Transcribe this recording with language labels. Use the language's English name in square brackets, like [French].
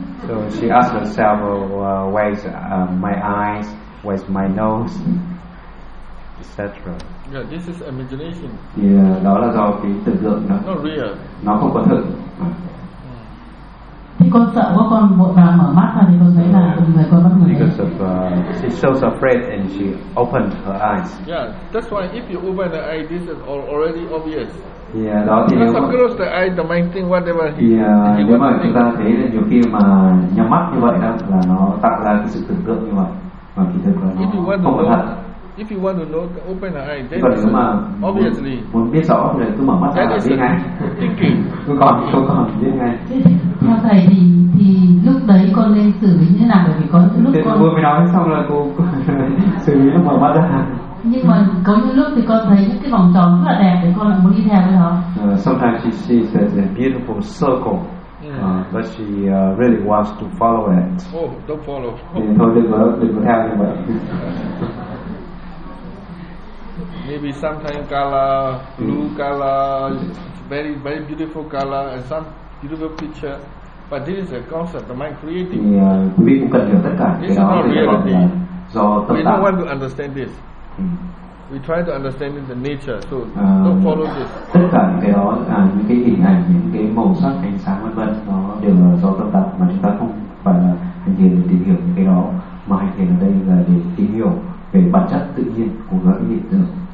[English] So she asked herself, where's my eyes, where's my nose, etc. Yeah, this is imagination. [Vietnamese] Yeah, đó là do cái tưởng tượng đó. [English] Not real. [Vietnamese] Nó không có thực. Thì con sợ quá con bộ bà mở mắt ra thì con thấy là người con bắt người. [English] Because of she's so afraid and she opened her eyes. Yeah, that's why if you open the eye, this is already obvious. [Vietnamese] Yeah, đó thì [English] because of course the eye, the main thing, whatever. [Vietnamese] Thì nếu mà chúng ta thấy là nhiều khi mà nhắm mắt như vậy đó là nó tạo ra cái sự tưởng tượng như vậy. Mà thực là nó không có thật. [English] If you want to know, open the eye. Then it's obviously. [Vietnamese] Muốn biết rõ thì cứ mở mắt ra là biết ngay. [English] Thinking. [Vietnamese] Cứ còn biết ngay. Theo thầy thì lúc đấy con nên xử lý như nào bởi vì con lúc con vừa mới nói xong là cô xử lý lúc mở mắt ra. Nhưng mà có những lúc thì con thấy những cái vòng tròn rất là đẹp thì con lại muốn đi theo cái đó. [English] Sometimes she sees that a beautiful circle, but she really wants to follow it. Oh, don't follow. [Vietnamese] Thôi đừng có theo như vậy. [English] Maybe sometimes color, blue color, very very beautiful color, and some beautiful picture. But this is a concept, the mind creating. [Vietnamese] Thì quý vị cũng cần hiểu tất cả cái đó. [English] Not reality. [Vietnamese] Do tâm [English] tạng. We don't want to understand this. We try to understand the nature, so don't follow this. [Vietnamese] Tất cả những cái đó, những cái hình ảnh, những cái màu sắc, ánh sáng vân vân, nó đều là do tâm tạng mà chúng ta không phải là hành thiền để tìm hiểu những cái đó, mà hành thiền ở đây là để tìm hiểu về bản chất tự nhiên của các hiện tượng.